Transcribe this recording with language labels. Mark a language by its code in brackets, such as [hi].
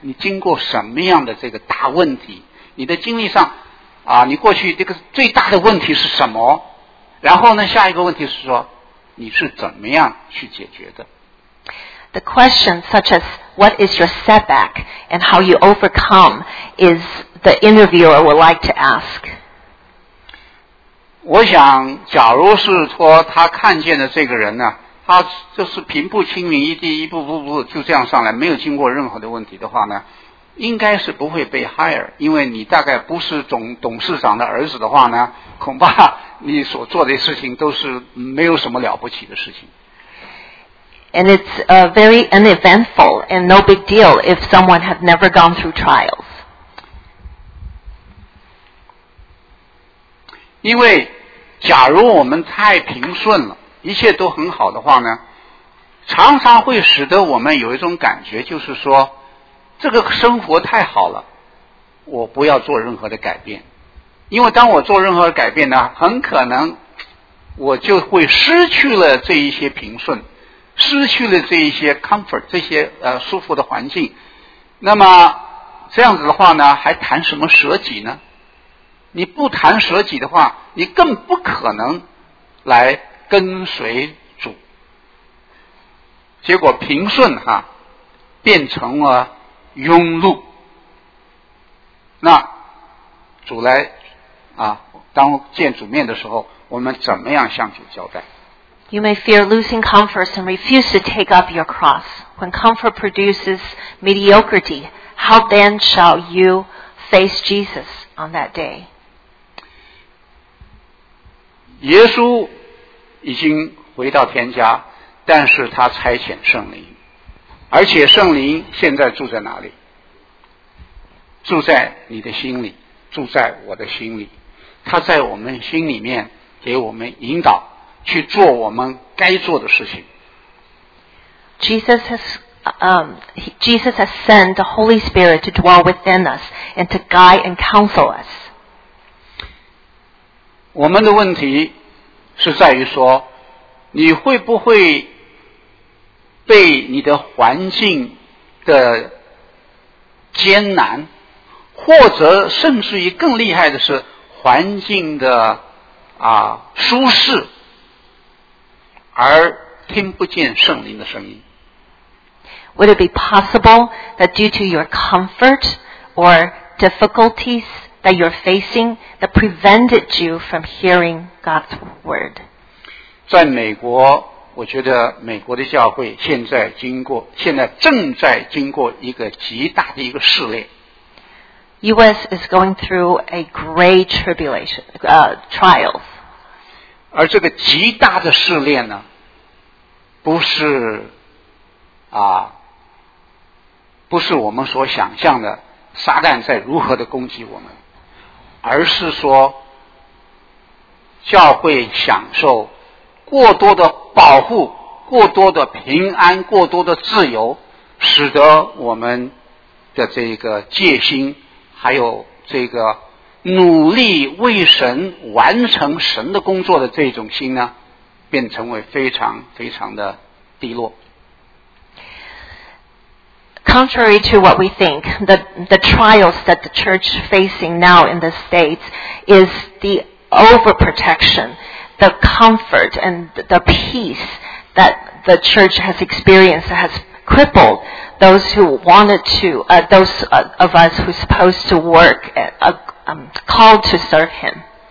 [zh] 你经过什么样的这个大问题？你的经历上啊，你过去这个最大的问题是什么？然后呢，下一个问题是说你是怎么样去解决的？ [en] The question such as what is your setback and how you overcome is the interviewer would like to ask. [zh] 我想假如是说他看见的这个人呢，他就是平步青云，一地一步步步就这样上来，没有经过任何的问题的话呢，应该是不会被 hire， 因为你大概不是总董事长的儿子的话呢，恐怕你所做的事情都是没有什么了不起的事情。 [en] And it's very uneventful and no big deal if someone had never gone through trials. [zh] 因为假如我们太平顺了，一切都很好的话呢，常常会使得我们有一种感觉，就是说这个生活太好了，我不要做任何的改变。因为当我做任何的改变呢，很可能我就会失去了这一些平顺，失去了这一些 comfort， 这些舒服的环境，那么这样子的话呢，还谈什么舍己呢？你不谈舍己的话，你更不可能来跟随主。结果平顺哈变成了庸碌，那主来啊，当见主面的时候，我们怎么样向主交代？ [en] You may fear losing comforts and refuse to take up your cross. When comfort produces mediocrity, how then shall you face Jesus on that day? [zh] 耶稣已经回到天家，但是他差遣圣灵，而且圣灵现在住在哪里？住在你的心里，住在我的心里，他在我们心里面给我们引导去做我们该做的事情。 [en] Jesus has sent the Holy Spirit to dwell within us and to guide and counsel us. [zh] 我们的问题是在于说，你会不会被你的环境的艰难，或者甚至于更厉害的是环境的舒适，而听不见圣灵的声音。 [en] Would it be possible that due to your comfort or difficulties that you're facing that prevented you from hearing God's word? [zh] 在美国，我觉得美国的教会现在正在经过一个极大的一个试炼。 [en] U.S. is going through a great trials. [zh] 而这个极大的试炼呢？不是啊，不是我们所想象的撒旦在如何的攻击我们，而是说教会享受过多的保护，过多的平安，过多的自由，使得我们的这个戒心还有这个努力为神完成神的工作的这种心呢，变成为非常非常的低落。 [en] Contrary to what we think, the trials that the church facing now in the States is the overprotection, the comfort and the peace that the church has experienced has crippled those who wanted to, those of us who are supposed to work, called to serve Him.